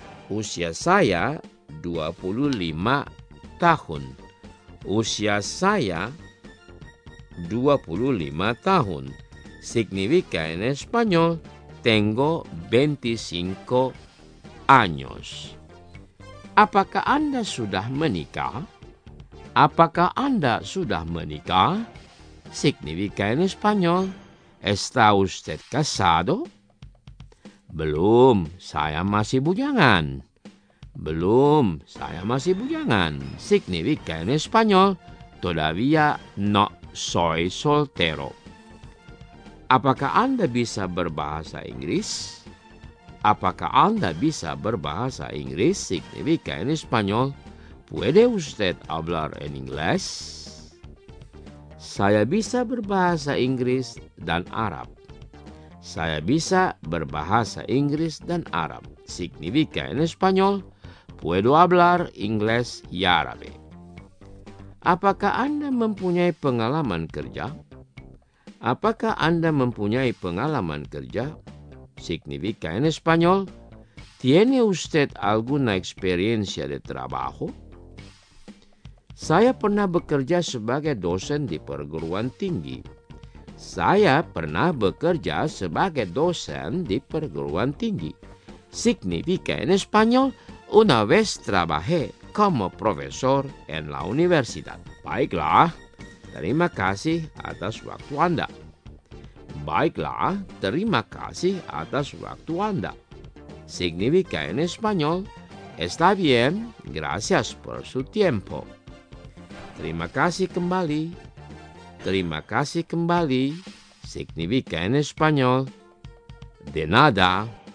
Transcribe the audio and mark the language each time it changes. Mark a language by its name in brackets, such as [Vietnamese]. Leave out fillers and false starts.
[Indonesian] Usia saya 25 tahun. Usia saya 25 tahun [Spanish] significa en español, tengo 25 años. [Indonesian] Apakah Anda sudah menikah? Apakah Anda sudah menikah? [Spanish] Significa en español, ¿está usted casado? [Indonesian] Belum, saya masih bujangan. Belum, saya masih bujangan. [Spanish] Significa en español, todavía no soy soltero. [Indonesian] Apakah Anda bisa berbahasa Inggris? Apakah Anda bisa berbahasa Inggris? [Spanish] Significa en español, ¿puede usted hablar en inglés? [Indonesian] Saya bisa berbahasa Inggris dan Arab. Saya bisa berbahasa Inggris dan Arab. [Spanish] Significa en español, puedo hablar inglés y árabe. [Indonesian] Apakah Anda mempunyai pengalaman kerja? Apakah Anda mempunyai pengalaman kerja? [Spanish] Significa en español, ¿tiene usted alguna experiencia de trabajo? [Indonesian] Saya pernah bekerja sebagai dosen di perguruan tinggi. Saya pernah bekerja sebagai dosen di perguruan tinggi. [Spanish] Significa en español, una vez trabajé como profesor en la universidad. [Indonesian] Baiklah, terima kasih atas waktu Anda. Baiklah, terima kasih atas waktu Anda. [Spanish] Significa en español, está bien, gracias por su tiempo. [Indonesian] Terima kasih kembali. Terima kasih kembali. [Spanish] Significa en español, de nada.